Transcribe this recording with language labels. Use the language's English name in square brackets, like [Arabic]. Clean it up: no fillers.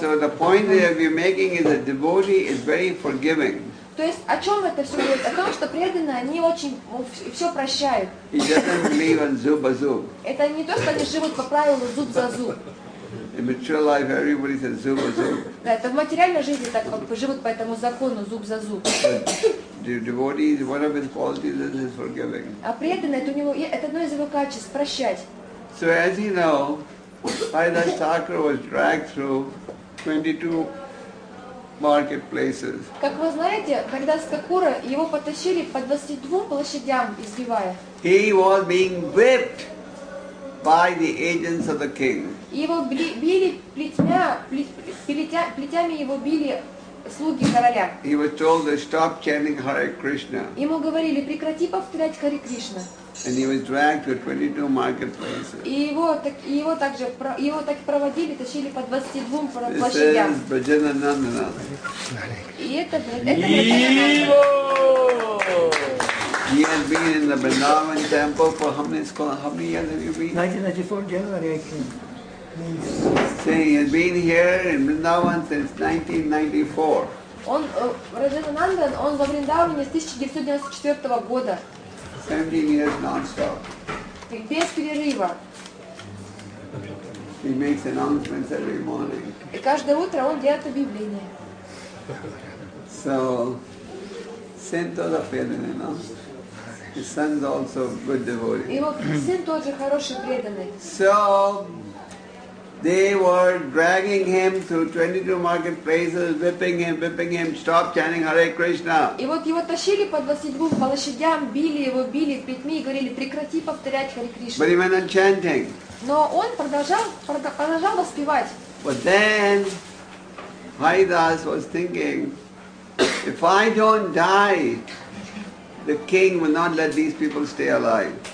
[English] So the point that we're making is that devotee is very forgiving. [Russian] То есть о чем это все говорит? О том, что преданные, они очень все прощают. [English] He doesn't believe in [Russian] zub a zub. Это не то, что они живут по правилу зуб за зуб. [English] In material life, everybody says [Russian] zub za zub. Да, это в материальной жизни так как живут по этому закону зуб за зуб. [English] The devotee, one of his qualities is his forgiving. [Russian] А преданный, это у него, это одно из его качеств, прощать. [English] So as you know, Haridas Thakur was dragged through 22 marketplaces. [Russian] Как вы знаете, Haridas Thakur, его потащили по 22 площадям, избивая. [English] He was being whipped by the agents of the king. [Russian] Его били плетями его били слуги короля. [English] He was told to stop chanting Hare Krishna. [Russian] Ему говорили, прекрати повторять Харе Кришна. [English] And he was dragged to 22 marketplaces. [Russian] И его так проводили, тащили по 22 площадям. [English] This is Bhajananandana. [Russian] И это Бхаджананандана. [English] He has been in the Vrindavan temple for how many years have you been? 1994 January I came. Saying he has been here in Vrindavan since 1994. [Russian] Он Раджананандан, он во Вриндаване с 1994 года. [English] 17 years non-stop. [Russian] Без перерыва. [English] He makes announcements every morning. [Russian] И каждое утро он делает объявление. So, Saint Toda Pedene, no? [English] His son is also a good devotee. [Russian] Его сын тоже хороший преданный. [English] So, they were dragging him through 22 marketplaces, whipping him, stop chanting Hare Krishna. [Russian] И вот его тащили по 22 площадям, били его, били плетьми и говорили, прекрати повторять Hare Krishna. [English] But he went on chanting. [Russian] Но он продолжал воспевать. [English] But then, Haridas was thinking, if I don't die, the king will not let these people stay alive.